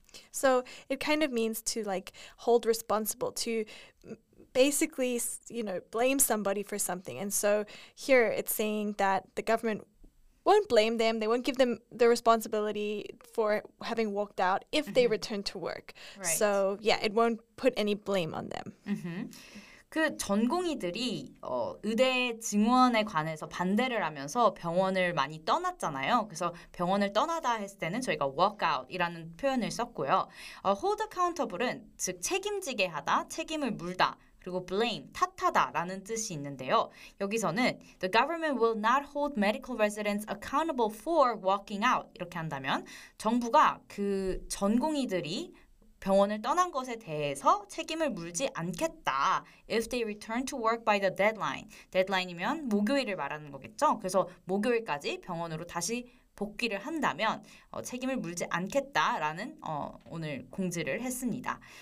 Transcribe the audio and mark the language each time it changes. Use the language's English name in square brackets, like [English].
[English] So it kind of means to like hold responsible, to basically, you know, blame somebody for something. And so here it's saying that the government won't blame them. They won't give them the responsibility for having walked out if they return to work. Right. So yeah, it won't put any blame on them. Mm-hmm. [Korean] 그 전공의들이 의대 증원에 관해서 반대를 하면서 병원을 많이 떠났잖아요. 그래서 병원을 떠나다 했을 때는 저희가 walk out이라는 표현을 썼고요. Hold accountable은 즉 책임지게 하다, 책임을 물다. 그리고 blame, 탓하다 라는 뜻이 있는데요. 여기서는 [English] the government will not hold medical residents accountable for walking out [Korean] 이렇게 한다면 정부가 그 전공의들이 병원을 떠난 것에 대해서 책임을 물지 않겠다. [English] If they return to work by the deadline. [Korean] Deadline이면 목요일을 말하는 거겠죠. 그래서 목요일까지 병원으로 다시 복귀를 한다면 책임을 물지 않겠다라는 오늘 공지를 했습니다.